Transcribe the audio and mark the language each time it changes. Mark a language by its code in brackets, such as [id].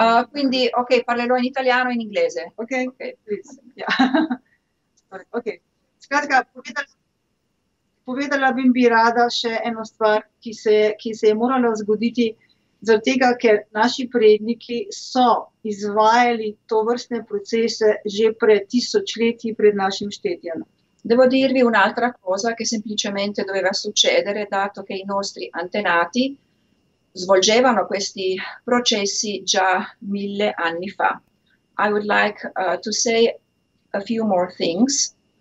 [it] Quindi, ok, parlerò in italiano e in inglese. [en] Ok, please. Yeah. Okay. [sl] Skratka, povedala bi mi rada še eno stvar, ki se je morala zgoditi, zaradi tega, ker naši predniki so izvajali to vrstne procese že pred tisočletji pred našim štetjem. [it] Devo dirvi un'altra cosa che semplicemente doveva succedere, dato che i nostri antenati svolgevano questi processi già mille anni fa. [en] I would like to say a few more things.